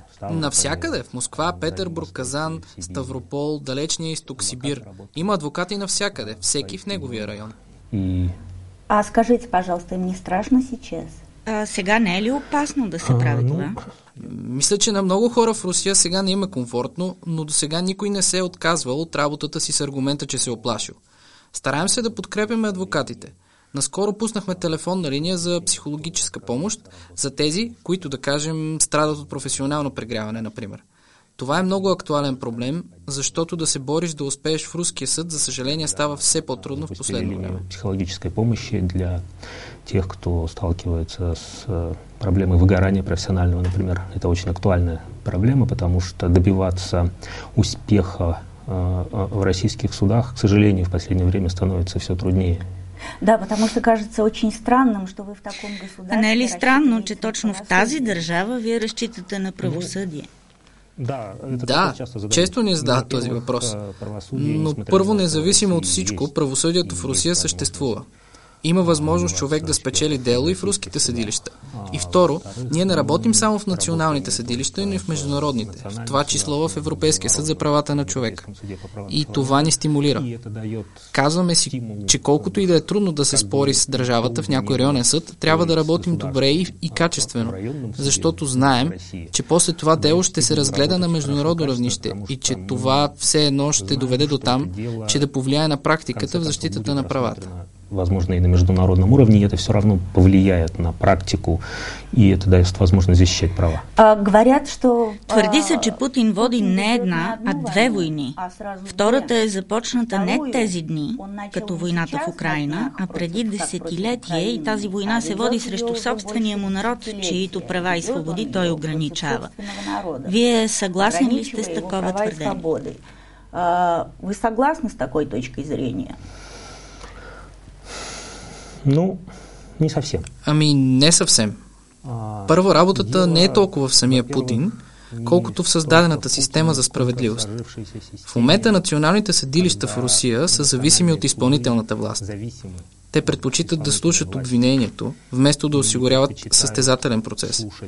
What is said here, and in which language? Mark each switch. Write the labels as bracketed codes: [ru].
[bg] Навсякъде. В Москва, Петербург, Казан, Ставропол, далечния изток, Сибир. Има адвокати навсякъде. Всеки в неговия район. [ru] А скажите, пожалуйста, не страшно сейчас? [bg] Сега не е ли опасно да се прави това? Мисля, че на много хора в Русия сега не има комфортно, но до сега никой не се е отказвал от работата си с аргумента, че се е оплашил. Стараем се да подкрепяме адвокатите. Наскоро пуснахме телефонна линия за психологическа помощ за тези, които, да кажем, страдат от професионално прегряване, например. Това е много актуален проблем, защото да се бориш да успееш в руския съд, за съжаление, става все по-трудно в последно време. [ru] Психологическа помощ для тех, кто сталкивается с проблемой выгорания профессионального, например, это очень актуальная проблема, потому что добиваться успеха в российских судах, к сожалению, в последнее время становится все труднее. Да, потому что кажется очень странным, что вы в таком государстве... [bg] Не ли странно, че точно в тази държава вие разчитате на правосъдие? Да, често ни задават този въпрос. Но първо, независимо от всичко, правосъдието в Русия съществува. Има възможност човек да спечели дело и в руските съдилища. И второ, ние не работим само в националните съдилища, но и в международните. В това число в Европейския съд за правата на човека. И това ни стимулира. Казваме си, че колкото и да е трудно да се спори с държавата в някой районен съд, трябва да работим добре и качествено. Защото знаем, че после това дело ще се разгледа на международно равнище и че това все едно ще доведе до там, че да повлияе на практиката в защитата на правата. [ru] Возможно, и на международном уровне, и это все равно повлияет на практику, и это дает возможность защищать права. Говорят, что... [bg] Твърди се, че Путин води не една, а две войни. Втората е започната не тези дни, като войната в Украина, а преди десетилетие, и тази война се води срещу собствения му народ, чието права и свободи той ограничава. Вие съгласни ли сте с такова твърдение? [ru] Вы согласны с такой точкой зрения? Ну, не совсем. [bg] Ами, не съвсем. Първо, работата не е толкова в самия Путин, колкото в създадената система за справедливост. В момента националните съдилища в Русия са зависими от изпълнителната власт. Те предпочитат да слушат обвинението, вместо да осигуряват състезателен процес.